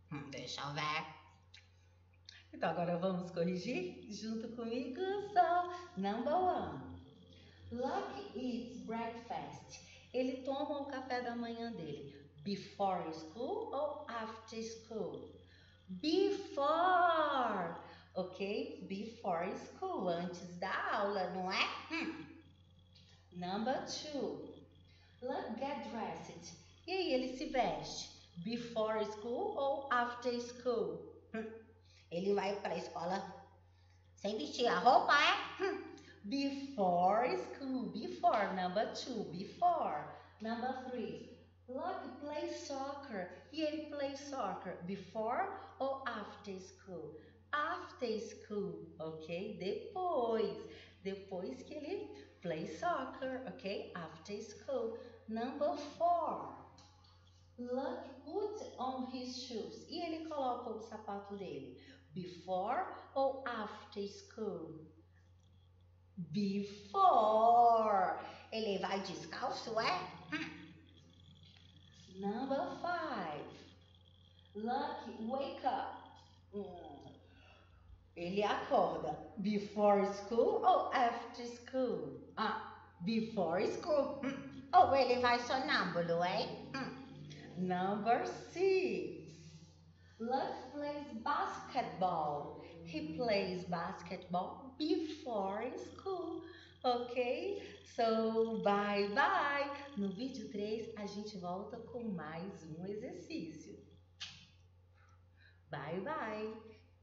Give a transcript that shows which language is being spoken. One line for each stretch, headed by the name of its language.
Portuguese: Deixa eu ver. Então, agora vamos corrigir junto comigo.
English: So, number one. Look, it's breakfast.
Portuguese: Ele toma o café da manhã dele.
English: Before school
Portuguese: ou
English: after school? Before. Ok? Before school,
Portuguese: antes da aula, não é?
English: Number two. Look, get dressed.
Portuguese: E aí, ele se veste?
English: Before school
Portuguese: ou
English: after school?
Portuguese: Ele vai para a escola sem vestir a roupa, é?
English: Before school, before. Number two, before. Number three. Look, play soccer.
Portuguese: E ele
English: play soccer before
Portuguese: ou
English: after school? After school, ok? Depois. Depois que ele play soccer, ok? After school. Number four. Look, put on his shoes.
Portuguese: E ele coloca o sapato dele.
English: Before
Portuguese: ou
English: after school? Before.
Portuguese: Ele vai descalço, é?
English: Number five. Look, wake up.
Portuguese: Ele acorda
English: before school
Portuguese: ou
English: after school?
Portuguese: Ah,
English: before school.
Portuguese: Ou ele vai sonâmbulo, hein?
English: Number six. Look, plays basketball. He plays basketball before school. Ok? So, bye bye.
Portuguese: No vídeo 3, a gente volta com mais um exercício. Bye bye.